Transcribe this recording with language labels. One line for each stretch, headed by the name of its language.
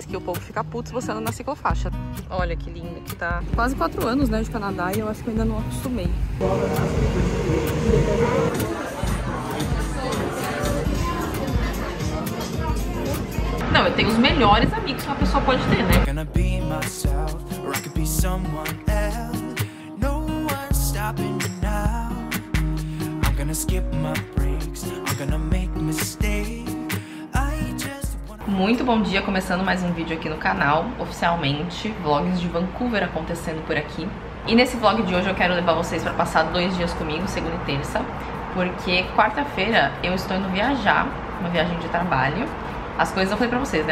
Portuguese: Que o povo fica puto se você anda na ciclofaixa. Olha que linda que tá. Quase 4 anos, né, de Canadá, e eu acho que eu ainda não acostumei. Não, eu tenho os melhores amigos que uma pessoa pode ter, né?
English: Gonna be myself, or I could be someone else. No one's stopping me now. I'm gonna skip my breaks, I'm gonna make mistakes. I just wanna...
Portuguese: Muito bom dia, começando mais um vídeo aqui no canal, oficialmente. Vlogs de Vancouver acontecendo por aqui. E nesse vlog de hoje eu quero levar vocês pra passar 2 dias comigo, segunda e terça. Porque quarta-feira eu estou indo viajar, uma viagem de trabalho. As coisas, eu falei pra vocês, né?